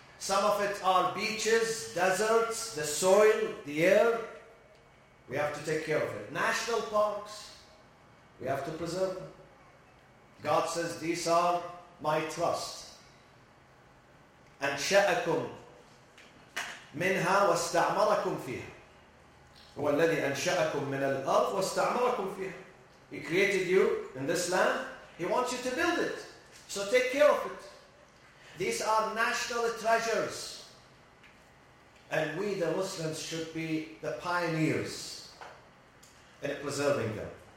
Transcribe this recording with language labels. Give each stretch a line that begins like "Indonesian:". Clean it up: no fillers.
English: Some of it are beaches, deserts, the soil, the air. We have to take care of it. National parks, we have to preserve them. God says, these are my trust.
Arabic: أنشأكم منها واستعمركم فيها. هو الذي أنشأكم من الأرض واستعمركم فيها.
English: He created you in this land. He wants you to build it. So take care of it. These are national treasures. And we, the Muslims, should be the pioneers in preserving them.